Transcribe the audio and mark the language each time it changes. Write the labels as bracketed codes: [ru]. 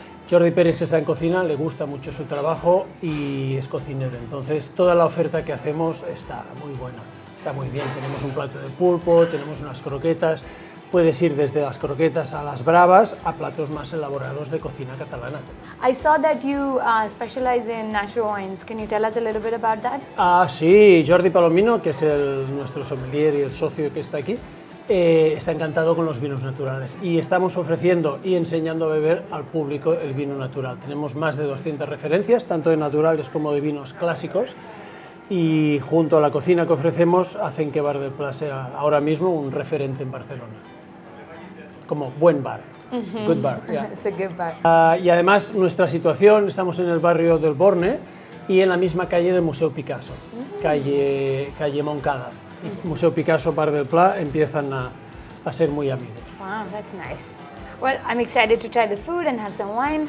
[es] Jordi Pérez está en cocina, le gusta mucho su trabajo y es cocinero. Entonces, toda la oferta que hacemos está muy buena, está muy bien. Tenemos un plato de pulpo, tenemos unas croquetas. Puedes ir desde las croquetas a las bravas a platos más elaborados de cocina catalana. [en] I saw that you specialize in natural wines. Can you tell us a little bit about that? [es] Sí, Jordi Palomino, que es nuestro sommelier y el socio que está aquí, está encantado con los vinos naturales y estamos ofreciendo y enseñando a beber al público el vino natural. Tenemos más de 200 referencias, tanto de naturales como de vinos clásicos, y junto a la cocina que ofrecemos hacen que Bar del Pla sea ahora mismo un referente en Barcelona. Como buen bar. [en] Good bar. Yeah. It's a good bar. [es] Y además nuestra situación, estamos en el barrio del Borne y en la misma calle del Museo Picasso, calle Moncada. Museo Picasso, Bar del Pla, empiezan a ser muy amigos. [en] Wow, that's nice. Well, I'm excited to try the food and have some wine.